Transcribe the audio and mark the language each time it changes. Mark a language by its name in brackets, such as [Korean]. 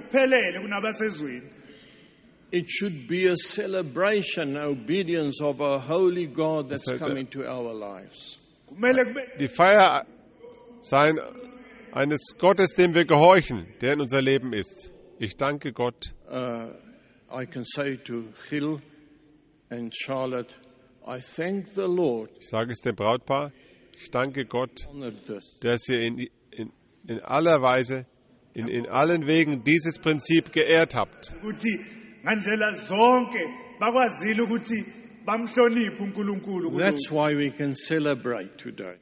[English] It should be a celebration, obedience of a holy God that's come into our lives. [German] Die Feier sein eines Gottes, dem wir gehorchen, der in unser Leben ist. Ich danke Gott. [English] I can say to Gil and Charlotte, I thank the Lord. [German] Ich sage es dem Brautpaar, ich danke Gott, dass ihr in aller Weise, in allen Wegen dieses Prinzip geehrt habt. [English] That's why we can celebrate today.